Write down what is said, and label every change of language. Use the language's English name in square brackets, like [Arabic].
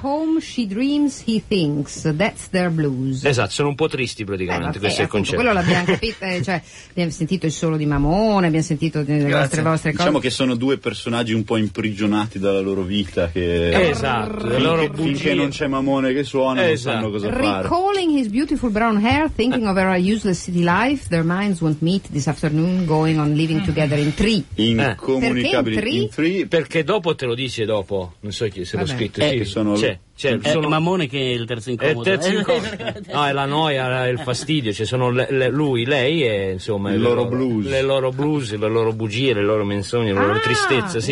[English] Home she dreams he thinks that's their blues. [Italian] Esatto, sono un po' tristi praticamente. Beh, questo è il concetto. Quello l'abbiamo capito, cioè abbiamo sentito il solo di Mamone, abbiamo sentito le vostre cose. Diciamo che sono due personaggi un po' imprigionati dalla loro vita che esatto, le loro bugie. Finché non c'è Mamone che suona, esatto, non sanno cosa fare. [English] Recalling his beautiful brown hair, thinking of her useless city life, their minds won't meet this afternoon, going on living together in three. [Italian] Incomunicabili [English] in three, [Italian] perché dopo te lo dice dopo, non so chi se l'ho scritto, sì. Sono Mamone che è il terzo incomodo. No, è la noia, il fastidio, cioè sono lui, lei e insomma il loro blues. Le loro blues, le loro bugie, le loro menzogne, la loro tristezza, sì,